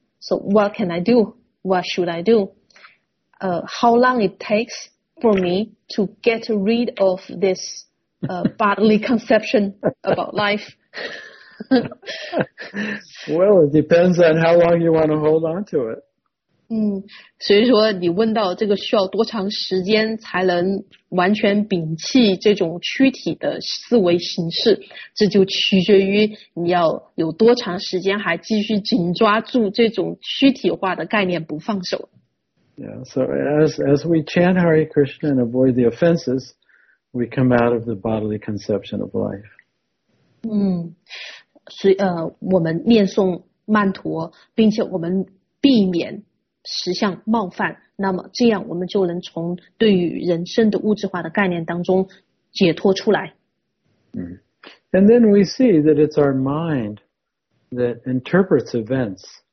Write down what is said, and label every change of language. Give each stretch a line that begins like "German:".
English: So what can I do? What should I do? How long it takes for me to get rid of this bodily conception about life? Well, it depends on how long you want to hold on to it.
Chinese: 所以说你问到这个需要多长时间才能完全摒弃这种躯体的思维形式，这就取决于你要有多长时间还继续紧抓住这种躯体化的概念不放手。
English: Yeah, so as we chant Hare Krishna and avoid the offenses, we come out of the bodily conception of life.
Chinese: 所以我们念诵曼陀，并且我们避免实相冒犯，那么这样我们就能从对于人生的物质化的概念当中解脱出来。
English: And then we see that it's our mind that interprets events.